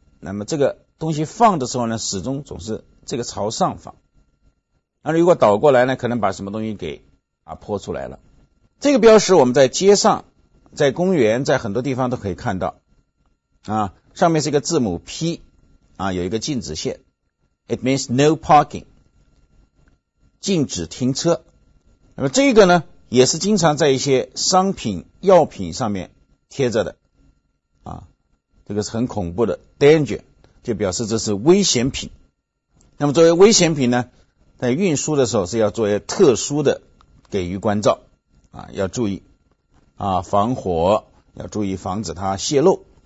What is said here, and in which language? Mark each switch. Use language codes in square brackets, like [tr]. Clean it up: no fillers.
[zh] 那么这个东西放的时候呢，始终总是这个朝上放。那如果倒过来呢，可能把什么东西给泼出来了。这个标识我们在街上、在公园、在很多地方都可以看到上面是一个字母 P 有一个禁止线。 [en] It means no parking， [zh] 禁止停车。那么这个呢，也是经常在一些商品、药品上面贴着的这个是很恐怖的 danger， 就表示这是危险品。那么作为危险品呢，在运输的时候是要作为特殊的给予关照要注意防火，要注意防止它泄漏。